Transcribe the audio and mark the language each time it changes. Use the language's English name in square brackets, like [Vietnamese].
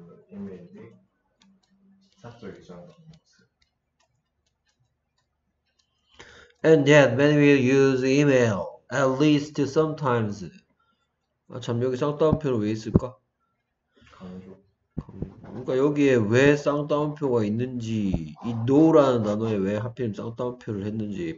[Korean] 이메일이 사적이지 않다는 것을. [English] And yet, many will use email, at least sometimes. [Korean] 아, 참, 여기 쌍따옴표를 왜 있을까? 강조. 그러니까 여기에 왜 쌍따옴표가 있는지, 이 no라는 단어에 왜 하필 쌍따옴표를 했는지.